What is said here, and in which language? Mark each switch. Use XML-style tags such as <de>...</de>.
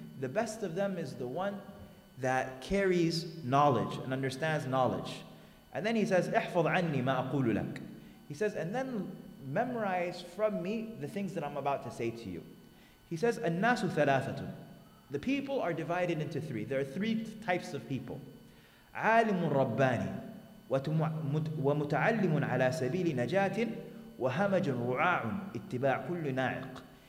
<en>The best of them is the one that carries knowledge and understands knowledge. And then he says,</en> <ar>احفظ عني ما أقول لك.</ar> <en>He says, and then memorize from me the things that I'm about to say to you. He says,</en> <ar>النَّاسُ ثَلَاثَةٌ.</ar> <en>The people are divided into three. There are three types of people.</en> <ar>عَالِمٌ رَبَّانِ وَمُتَعَلِّمٌ عَلَى سَبِيلِ نَجَاةٍ وَهَمَجٌ رُعَاعٌ اتِّبَاعُ كُلُّ نَاعِقٍ.</ar>